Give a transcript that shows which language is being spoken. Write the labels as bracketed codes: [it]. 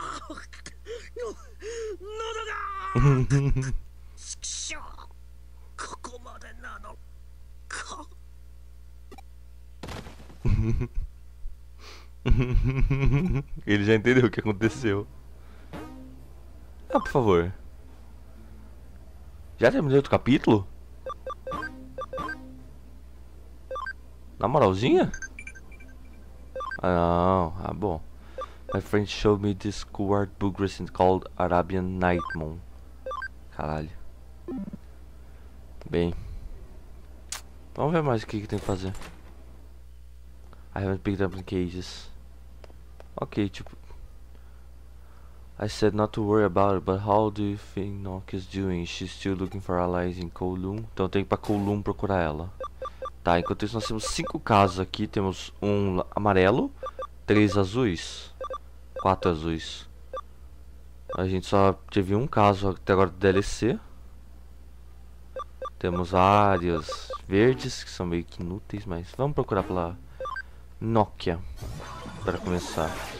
[ja] 喉が、ちくしょう、ここまでなのか。 [pt] Ele já entendeu o que aconteceu. Ah, por favor. Já terminou outro capítulo? Na moralzinha? Ah, não. Ah, bom. [en] My friend showed me this cool book recently called Arabian Night Moon. [pt] Caralho. Bem. Vamos ver mais o que, que tem que fazer. [en] I haven't picked up the cages. Ok, tipo, I said not to worry about it, but how do you think Nock is doing? She's still looking for allies in Kowloon. [pt] Então tem que ir pra Kowloon procurar ela. Tá, enquanto isso nós temos 5 casos aqui. Temos um amarelo, 3 azuis, 4 azuis. A gente só teve um caso até agora do DLC. Temos áreas verdes, que são meio que inúteis, mas vamos procurar pela Nokia para começar.